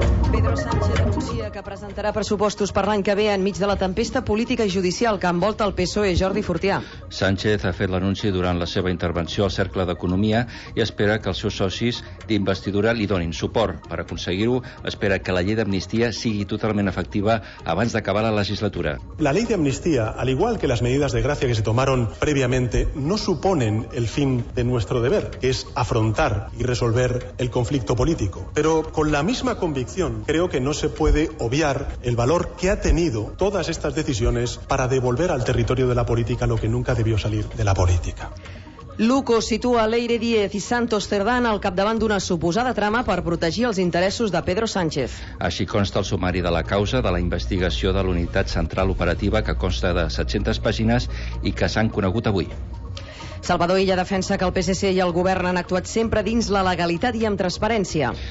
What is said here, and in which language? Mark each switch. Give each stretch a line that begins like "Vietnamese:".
Catalan: Pedro Sánchez anuncia que presentarà pressupostos per l'any que ve enmig de la tempesta política i judicial que envolta el PSOE. Jordi Fortià. Sánchez ha fet l'anunci durant la seva intervenció al Cercle d'Economia i espera que els seus socis d'investidura li donin suport. Per aconseguir-ho, espera que la llei d'amnistia sigui totalment efectiva abans d'acabar la legislatura. La llei d'amnistia,
Spanish: al igual que las medidas de gracia que se tomaron previamente, no suponen el fin de nuestro deber, que es afrontar y resolver el conflicto político. Pero con la misma convicción creo que no se puede obviar el valor que ha tenido todas estas decisiones para devolver al territorio de la política lo que nunca debió salir de la política.
Catalan: Luco situa Leire Díez i Santos Cerdán al capdavant d'una suposada trama per protegir els interessos de Pedro Sánchez. Així consta el sumari de la causa de la investigació de l'unitat central operativa, que consta de 700 pàgines i que s'han conegut avui. Salvador Illa defensa que el PSC i el govern han actuat sempre dins la legalitat i amb transparència.